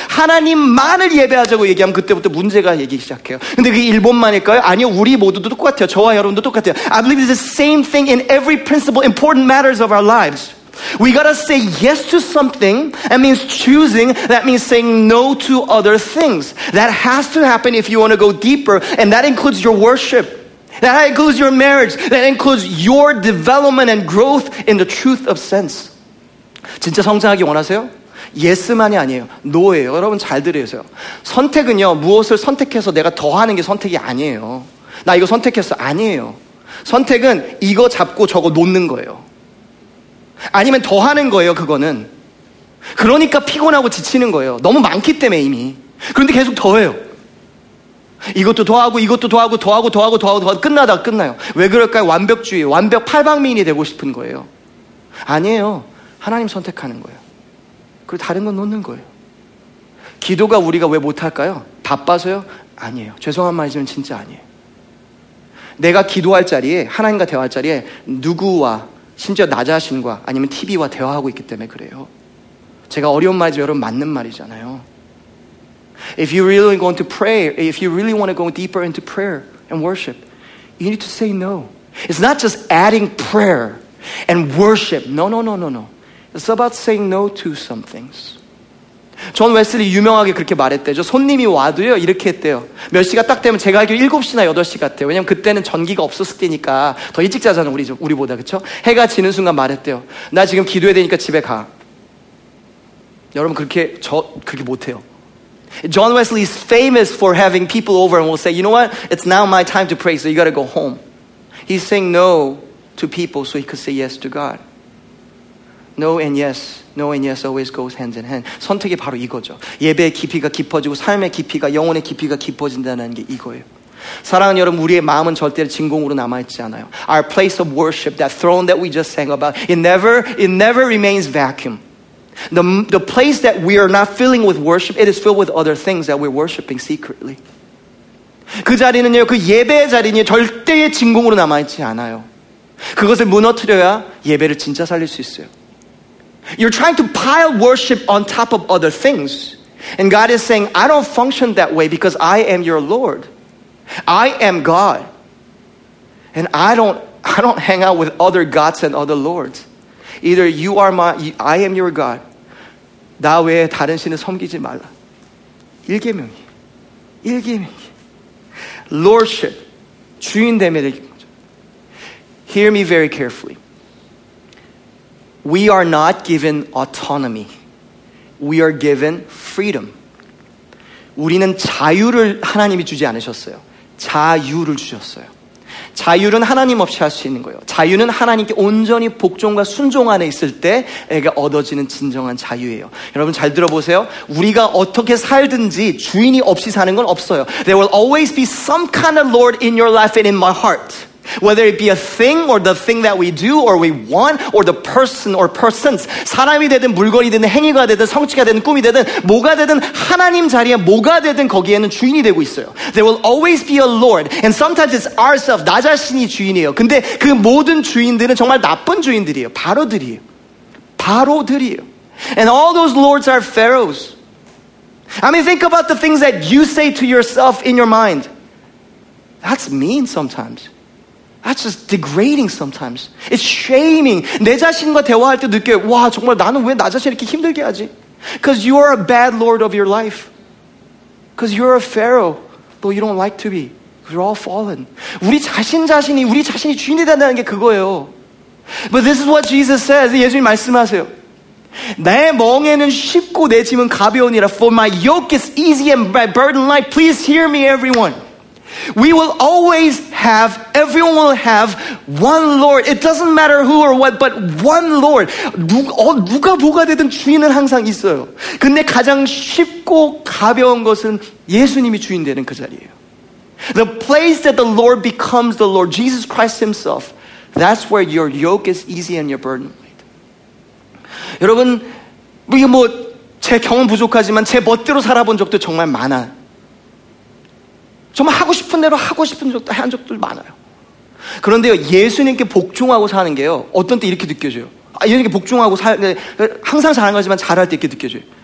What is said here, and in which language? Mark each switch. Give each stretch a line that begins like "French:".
Korean: 하나님만을 예배하자고 얘기하면 그때부터 문제가 얘기 시작해요. 근데 그게 일본만일까요? 아니요, 우리 모두도 똑같아요. 저와 여러분도 똑같아요.
English: I believe it's the same thing in every principle important matters of our lives. We gotta say yes to something. That means choosing. That means saying no to other things. That has to happen if you want to go deeper. And that includes your worship. That includes your marriage. That includes your development and growth in the truth of sense.
Korean: 진짜 성장하기 원하세요? Yes만이 아니에요. No예요. 여러분 잘 들으세요. 선택은요 무엇을 선택해서 내가 더 하는 게 선택이 아니에요. 나 이거 선택했어. 아니에요. 선택은 이거 잡고 저거 놓는 거예요. 아니면 더 하는 거예요 그거는. 그러니까 피곤하고 지치는 거예요. 너무 많기 때문에 이미. 그런데 계속 더 해요. 이것도 더하고 이것도 더하고 더하고 더하고 더하고 더하고 끝나다 끝나요. 왜 그럴까요? 완벽주의, 완벽 팔방미인이 되고 싶은 거예요. 아니에요. 하나님 선택하는 거예요. 그리고 다른 건 놓는 거예요. 기도가 우리가 왜 못할까요? 바빠서요? 아니에요. 죄송한 말이지만 진짜 아니에요. 내가 기도할 자리에, 하나님과 대화할 자리에 누구와 심지어 나 자신과 아니면 TV와 대화하고 있기 때문에 그래요. 제가 어려운 말이지만 여러분 맞는 말이잖아요.
English: If you really want to pray, if you really want to go deeper into prayer and worship, you need to say no. It's not just adding prayer and worship. No, no, no, no, no. It's about saying no to some things.
Korean: 존 웨슬리 유명하게 그렇게 말했대요. 손님이 와도요 이렇게 했대요. 몇 시가 딱 되면 제가 알기로 7시나 8시 같대요. 왜냐면 그때는 전기가 없었을 때니까 더 일찍 자잖아 우리보다 그렇죠? 해가 지는 순간 말했대요. 나 지금 기도해야 되니까 집에 가. 여러분 그렇게 저 그렇게 못해요.
English: John Wesley is famous for having people over and will say, you know what? It's now my time to pray, so you gotta go home. He's saying no to people so he could say yes to God. No and yes. No and yes always goes hand in hand.
Korean: 선택이 바로 이거죠. 예배의 깊이가 깊어지고 삶의 깊이가 영혼의 깊이가 깊어진다는 게 이거예요. 사랑하는 여러분, 우리의 마음은 절대 진공으로 남아있지 않아요.
English: Our place of worship, that throne that we just sang about, it never remains vacuum. The place that we are not filling with worship, it is filled with other things that we're worshiping secretly.
Korean: 그 자리는요, 그 예배의 자리는 절대 진공으로 남아있지 않아요. 그것을 무너뜨려야 예배를 진짜 살릴 수 있어요.
English: You're trying to pile worship on top of other things. And God is saying, I don't function that way because I am your Lord. I am God. And I don't I don't hang out with other gods and other lords. Either you are my, I am your God.
Korean: 나 외에 다른 신을 섬기지 말라. 일개명이. 일개명이. Lordship. 주인됨에 대한 거죠.
English: Hear me very carefully. We are not given autonomy. We are given freedom.
Korean: 우리는 자유를 하나님이 주지 않으셨어요. 자유를 주셨어요. 자유는 하나님 없이 할 수 있는 거예요. 자유는 하나님께 온전히 복종과 순종 안에 있을 때에게 얻어지는 진정한 자유예요. 여러분 잘 들어보세요. 우리가 어떻게 살든지 주인이 없이 사는 건 없어요.
English: There will always be some kind of Lord in your life and in my heart. Whether it be a thing or the thing that we do or we want or the person or persons.
Korean: 사람이 되든 물건이 되든 행위가 되든 성취가 되든 꿈이 되든 뭐가 되든 하나님 자리에 뭐가 되든 거기에는 주인이 되고 있어요.
English: There will always be a Lord. And sometimes it's ourselves.
Korean: 나 자신이 주인이에요. 근데 그 모든 주인들은 정말 나쁜 주인들이에요. 바로들이에요. 바로들이에요.
English: And all those lords are pharaohs. I mean, think about the things that you say to yourself in your mind. That's mean sometimes. That's just degrading sometimes. It's shaming.
Korean: 내 자신과 대화할 때 느껴요. 와, 정말 나는 왜 나 자신을 이렇게 힘들게 하지?
English: Because you are a bad lord of your life. Because you're a pharaoh, though you don't like to be. We're all fallen.
Korean: 우리 자신이 주인이 된다는 게 그거예요.
English: But this is what Jesus says.
Korean: 예수님 말씀하세요. 내 멍에는 쉽고 내 짐은 가벼우니라.
English: For my yoke is easy and my burden light. Please hear me, everyone. We will always have, everyone will have one Lord. It doesn't matter who or what, but one Lord.
Korean: 누가 뭐가 되든 주인은 항상 있어요. 근데 가장 쉽고 가벼운 것은 예수님이 주인 되는 그 자리예요.
English: The place that the Lord becomes the Lord, Jesus Christ himself, that's where your yoke is easy and your burden light.
Korean: 여러분, 이게 뭐 제 경험 부족하지만 제 멋대로 살아본 적도 정말 많아. 정말 하고 싶은 대로 하고 싶은 적도 한 적도 많아요. 그런데요, 예수님께 복종하고 사는 게요, 어떤 때 이렇게 느껴져요. 아, 예수님께 복종하고 사는 게 항상 잘한 거지만 잘할 때 이렇게 느껴져요.